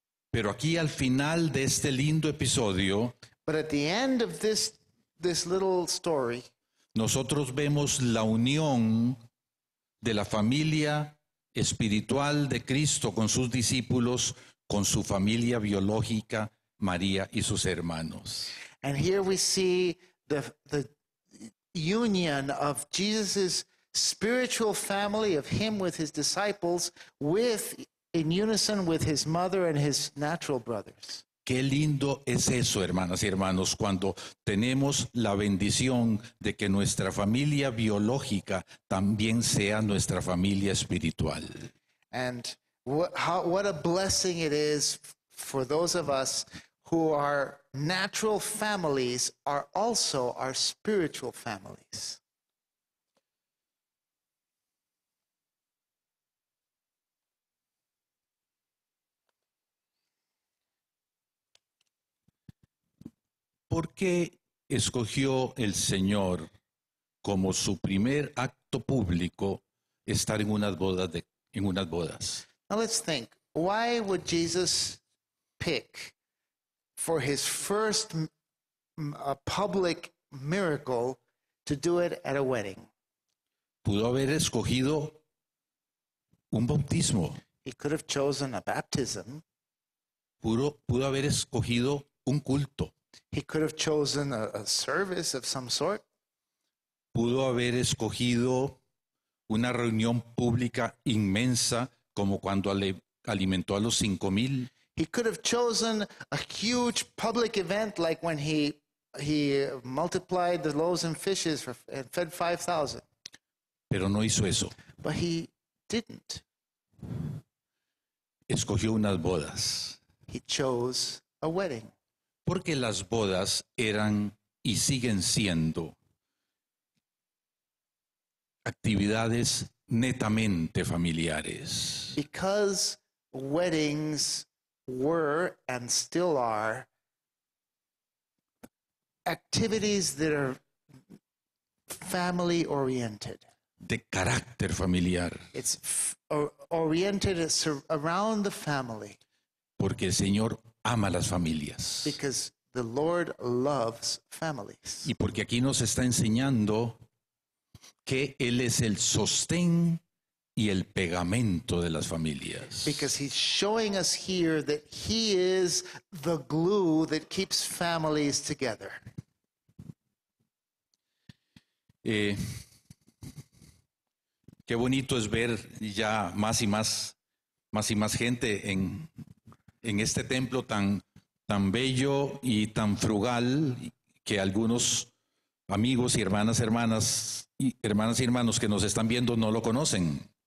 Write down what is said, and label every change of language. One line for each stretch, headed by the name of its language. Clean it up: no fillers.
Spanish: Pero aquí al final de este lindo episodio,
English: but at the end of this little story,
Spanish: nosotros vemos la unión de la familia espiritual de Cristo con sus discípulos, con su familia biológica, María y sus hermanos.
English: And here we see the union of Jesus' spiritual family, of him with his disciples, with in unison with his mother and his natural brothers.
Spanish: Qué lindo es eso, hermanas y hermanos, cuando tenemos la bendición de que nuestra familia biológica también sea nuestra familia espiritual.
English: And what a blessing it is for those of us who our natural families are also our spiritual families.
Spanish: ¿Por qué escogió el Señor como su primer acto público estar en unas bodas?
English: Now let's think. Why would Jesus pick for his first public miracle to do it at a wedding?
Spanish: Pudo haber escogido un bautismo.
English: He could have chosen a baptism.
Spanish: Pudo haber escogido un culto.
English: He could have chosen a service of some sort.
Spanish: Pudo haber escogido una reunión pública inmensa como cuando alimentó a los 5,000.
English: He could have chosen a huge public event like when he multiplied the loaves and fishes and fed 5,000.
Spanish: Pero no hizo eso.
English: But he didn't.
Spanish: Escogió unas bodas.
English: He chose a wedding.
Spanish: Porque las bodas eran y siguen siendo actividades netamente familiares.
English: Because weddings were and still are activities that are family oriented.
Spanish: De carácter familiar.
English: It's oriented around the family.
Spanish: Porque el Señor ama las familias.
English: Because the Lord loves families.
Spanish: Y porque aquí nos está enseñando que Él es el sostén y el pegamento de las familias.
English: Because he's showing us here that he is the glue that keeps families together.
Spanish: Qué bonito es ver ya más y más gente en este templo tan bello y tan frugal, que algunos amigos y hermanas y hermanos que nos están viendo no lo conocen.